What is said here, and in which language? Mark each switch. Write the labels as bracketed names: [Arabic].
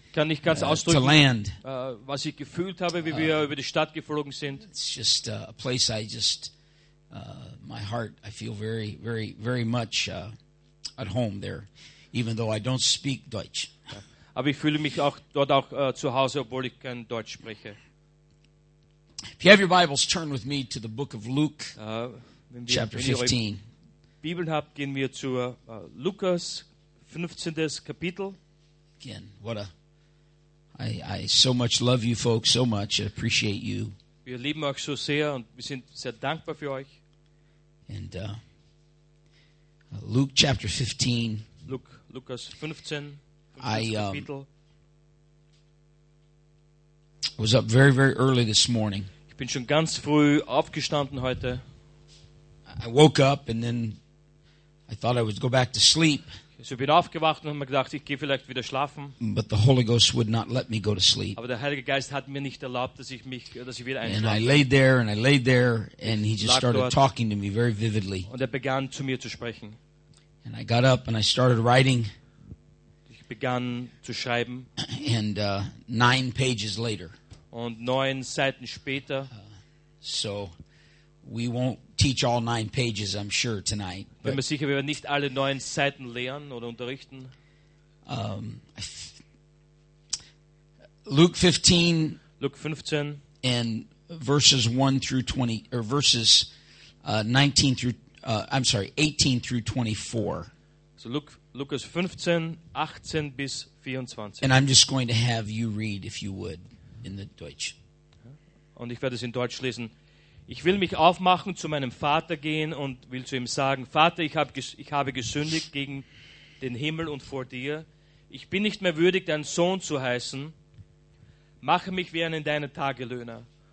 [German] Kann nicht ganz ausdrücken, [English] to land. [German] Was ich gefühlt habe, wie wir über die Stadt geflogen sind. [English] It's just a place I just my heart, I feel very very very much at home there. Even though I don't speak Deutsch. [German] Aber ich fühle mich auch dort auch zu Hause, obwohl ich kein Deutsch spreche. [English] If you have your Bibles, turn with me to the book of Luke, chapter 15. [German] Bibeln habt, gehen wir zu Lukas 15. Kapitel. [English] Again, what a I so much love you folks so much. I appreciate you. [German] Wir lieben euch so sehr und wir sind sehr dankbar für euch. [English] And Luke chapter 15. [German] Lukas 15, Kapitel. [English] I was up very, very early this morning. [German] Ich bin schon ganz früh aufgestanden heute. [English] I woke up and then I thought I would go back to sleep. [German] Also bin aufgewacht und habe mir gedacht, ich gehe vielleicht wieder schlafen. [English] But the Holy Ghost would not let me go to sleep. [German] Aber der Heilige Geist hat mir nicht erlaubt, dass ich wieder einschlafe. [English] And I laid there and I laid there and he just started talking to me very vividly. [German] Und er begann zu mir zu sprechen. [English] And I got up and I started writing. [German] Ich begann zu schreiben. [English] And 9 pages later. [German] Und 9 Seiten später. [English] So we won't teach all 9 pages, I'm sure, tonight. [German] Bin mir sicher, wir werden nicht alle 9 Seiten lehren oder unterrichten. [English] Luke 15. Luke 15. And verses 1 through 20, or verses 19 through 20. I'm sorry, 18 through 24. [German] So Lukas 15, 18 bis 24. [English] And I'm just going to have you read, if you would, in the Deutsch. [German] Und ich werde es in Deutsch lesen. Ich will mich aufmachen, zu meinem Vater gehen und will zu ihm sagen, Vater, ich habe gesündigt gegen den Himmel und vor dir. Ich bin nicht mehr würdig, dein Sohn zu heißen. Mache mich wie einen deiner Tagelöhner.